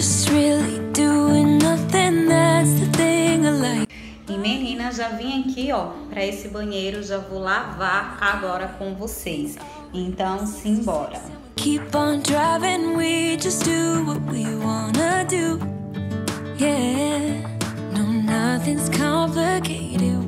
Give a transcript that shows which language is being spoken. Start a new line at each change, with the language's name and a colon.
English: really doing nothing, that's the thing I like.
Portuguese: E menina, já vim aqui, ó, pra esse banheiro, já vou lavar agora com vocês. Então, simbora.
English: Keep on driving, we just do what we wanna do. Yeah, no, nothing's complicated.